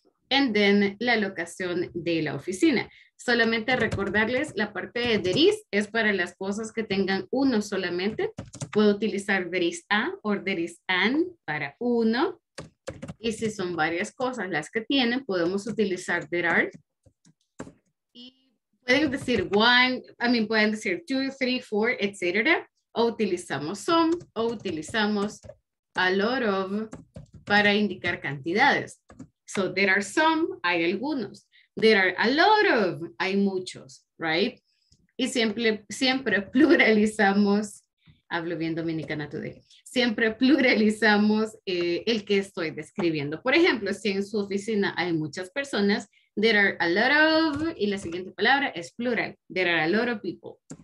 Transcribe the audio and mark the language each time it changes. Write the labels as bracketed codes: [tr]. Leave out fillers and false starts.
[en] And then [es] la locación de la oficina. Solamente recordarles, la parte de there is es para las cosas que tengan uno solamente. Puedo utilizar [en] there is a or there is an [es] para uno. Y si son varias cosas las que tienen, podemos utilizar there are. Y pueden decir one, I mean, pueden decir two, three, four, etc. O utilizamos some, o utilizamos a lot of para indicar cantidades. [en] So there are some, [es] hay algunos. [en] There are a lot of, [es] hay muchos, [en] right? [es] Y siempre pluralizamos, hablo bien dominicana today, siempre pluralizamos el que estoy describiendo. Por ejemplo, si en su oficina hay muchas personas, there are a lot of, y la siguiente palabra es plural, [en] there are a lot of people.